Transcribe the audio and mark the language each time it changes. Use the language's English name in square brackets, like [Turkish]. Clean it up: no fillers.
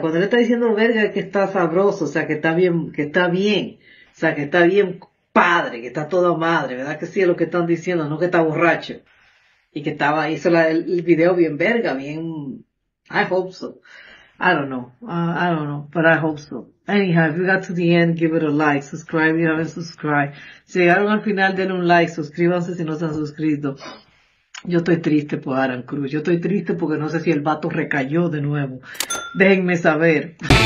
[Spanish] Cuando le está diciendo verga es que está sabroso, o sea, que está bien, que está bien. O sea, que está bien padre, que está toda madre, ¿verdad? Que sí es lo que están diciendo, no que está borracho. Y que estaba, hizo la, el video bien verga, bien, [English] I hope so. I don't know, but I hope so. Anyhow, if you got to the end, give it a like, subscribe, you haven't subscribed. [Spanish] Si llegaron al final, denle un like, suscríbanse si no se han suscrito. Yo estoy triste por Aaron Cruz, yo estoy triste porque no sé si el vato recayó de nuevo. Déjenme saber.